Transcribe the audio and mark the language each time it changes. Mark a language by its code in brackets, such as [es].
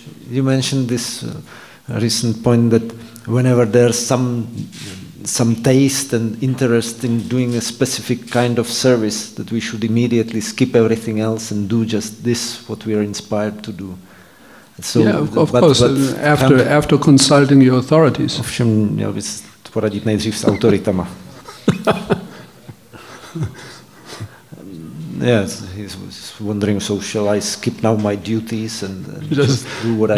[en] You mentioned this recent point that whenever there's some taste and interest in doing a specific kind of service, that we should immediately skip everything else and do just this, what we are inspired to do. So, yeah, of course, after consulting your authorities. [cs] Ovšem, měl bys poradit nejdřív s autoritama. [en] Yes, he's wondering, so shall I skip now my duties and just do what